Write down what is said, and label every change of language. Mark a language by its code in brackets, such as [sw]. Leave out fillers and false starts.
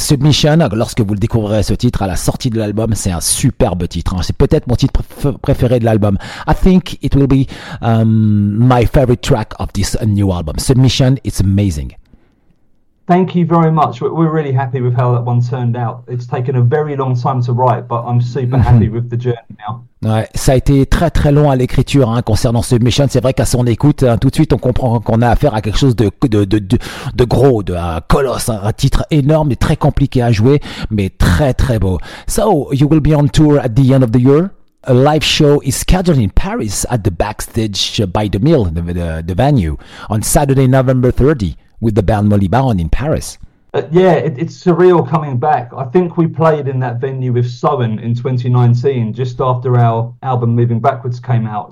[fr] Submission, lorsque vous le découvrirez ce titre à la sortie de l'album, c'est un superbe titre. Hein. C'est peut-être mon titre préféré de l'album. [en] I think it will be my favorite track of this new album. Submission, it's amazing. Thank you very much. We're really happy with how that one turned out. It's taken a very long time to write, but I'm super happy with the journey now. [fr] Ouais, ça a été très très long à l'écriture hein, concernant Submission. C'est vrai qu'à son écoute, hein, tout de suite, on comprend qu'on a affaire à quelque chose de gros, de un colosse, un titre énorme et très compliqué à jouer, mais très très beau. [en] So, you will be on tour at the end of the year. A live show is scheduled in Paris at the Backstage by the Mill, the venue, on Saturday, November 30. With the band Molly Baron in Paris. Yeah, it's surreal coming back. I think we played in that venue with Soen in 2019, just after our album Moving Backwards came out.